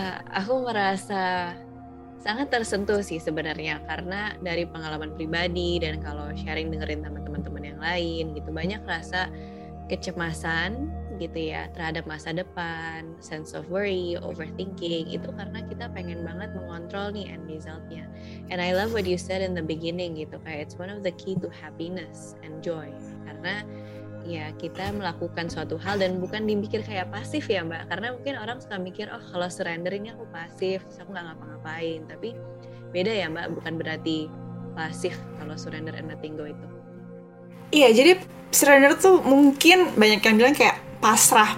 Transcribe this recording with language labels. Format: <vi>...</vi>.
<id>Aku merasa sangat tersentuh sih sebenarnya, karena dari pengalaman pribadi dan kalau sharing dengerin teman-teman yang lain gitu, banyak rasa kecemasan gitu ya terhadap masa depan,</id> <en>sense of worry,</en> <id>overthinking, itu karena kita pengen banget mengontrol nih end result-nya.</id> <en>And I love what you said in the beginning</en> <id>gitu, kayak</id> <en>it's one of the key to happiness and joy.</en> <id>Karena ya kita melakukan suatu hal dan bukan dipikir kayak pasif ya Mbak, karena mungkin orang suka mikir, oh kalau surrender ini aku pasif, aku gak ngapa-ngapain. Tapi beda ya Mbak, bukan berarti pasif kalau surrender and letting go itu. Iya, jadi surrender tuh mungkin banyak yang bilang kayak pasrah.</id>